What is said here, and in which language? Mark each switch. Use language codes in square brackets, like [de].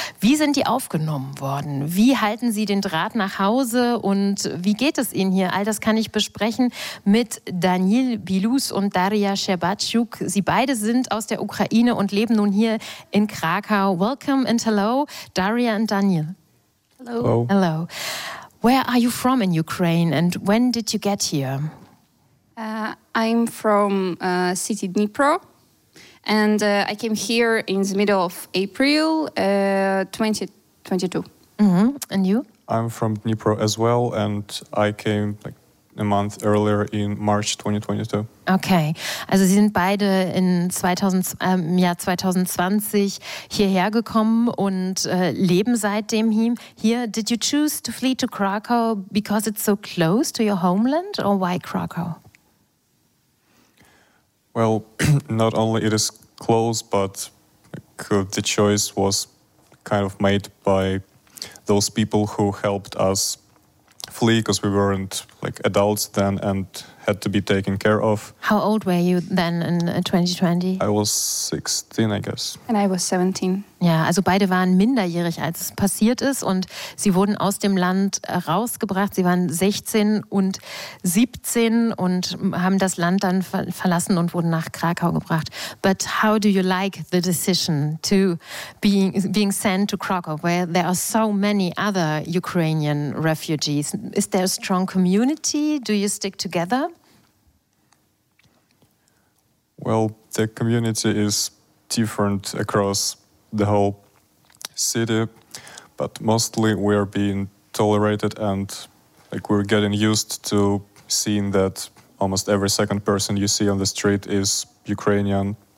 [de] Wie sind die aufgenommen worden? Wie halten sie den Draht nach Hause und wie geht es ihnen hier? All das kann ich besprechen mit Daniil Bilus und Daria Scherbatschuk. Sie beide sind aus der Ukraine und leben nun hier in Krakau. [en] Welcome and hello, Daria and Daniil. Hello. Hello. Where are you from in Ukraine and when did you get here? I'm from city Dnipro. And I came here in the middle of April 2022. Mm-hmm. And you? I'm from Dnipro as well, and I came like a month earlier in March 2022. [de] Okay, also Sie sind beide in Jahr 2020 hierher gekommen und leben seitdem hier. [en] Did you choose to flee to Krakow because it's so close to your homeland, or why Krakow? Well, not only it is close, but the choice was kind of made by those people who helped us flee, because we weren't like adults then and had to be taken care of. How old were you then in 2020? I was 16, I guess. And I was 17. [de] Ja, also beide waren minderjährig, als es passiert ist, und sie wurden aus dem Land rausgebracht. Sie waren 16 und 17 und haben das Land dann verlassen und wurden nach Krakau gebracht. [en] But how do you like the decision to being sent to Krakow, where there are so many other Ukrainian refugees? Is there a strong community? Do you stick together? Well, the community is different across the whole city, but mostly we are being tolerated and like we're getting used to seeing that almost every second person you see on the street is Ukrainian.